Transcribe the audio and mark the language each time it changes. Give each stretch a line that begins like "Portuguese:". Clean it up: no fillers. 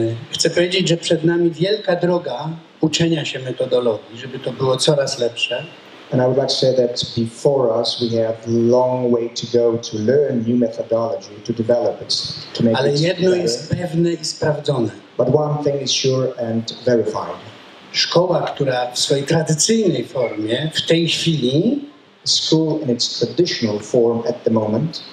Polish: Chcę powiedzieć, że przed nami wielka droga uczenia się metodologii, żeby to było coraz lepsze.
English: And I would like to say that before us we have long way to go to learn new methodology, to develop it, to make
Polish: Ale
English: it
Polish: jedno
English: better.
Polish: Jest pewne i sprawdzone.
English: But one thing is sure and verified.
Polish: Szkoła, która w swojej tradycyjnej formie, w tej chwili,
English: school in its traditional form at the moment,